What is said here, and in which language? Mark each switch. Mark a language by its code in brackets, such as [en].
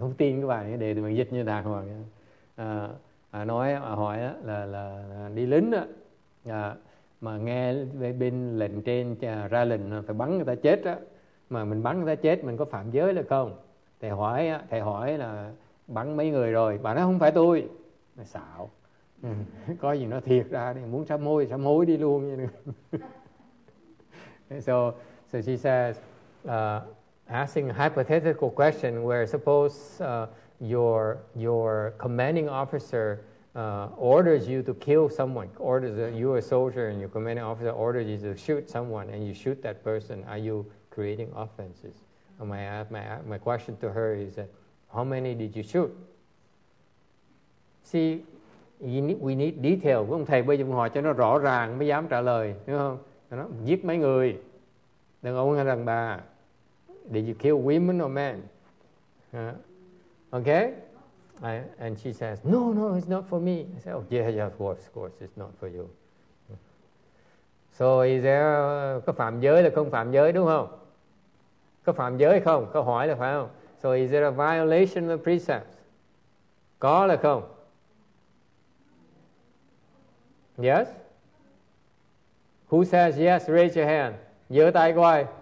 [vi] Không tin các bạn ấy, để mình dịch như đàng hoàng. Nói, hỏi là đi lính á, mà nghe bên lệnh trên ra lệnh phải bắn người ta chết á, mà mình bắn người ta chết mình có phạm giới là không? Thầy hỏi là bắn mấy người rồi? Bà nói không phải tôi. Mà xạo. Có gì nó thiệt ra đi, muốn sám hối đi luôn vậy. [en] So she says, asking a hypothetical question where suppose your commanding officer orders you to kill someone, you are a soldier and your commanding officer orders you to shoot someone and you shoot that person, are you creating offenses? And my question to her is, how many did you shoot? See, we need detail. [vi] Ông thầy bây giờ ông hỏi cho nó rõ ràng mới dám trả lời, đúng không? Nó giết mấy người. Đàn ông hay đàn bà? [en] Did you kill women or men? Okay? And she says, no, no, it's not for me. I said, oh, yeah, of course, it's not for you. So is there, [vi] có phạm giới là không phạm giới, đúng không? Có phạm giới không? Có hỏi là phải không? [en] So is there a violation of the precepts? [vi] Có là không? [en] Yes? Who says yes? Raise your hand. [vi] Nhớ tay coi.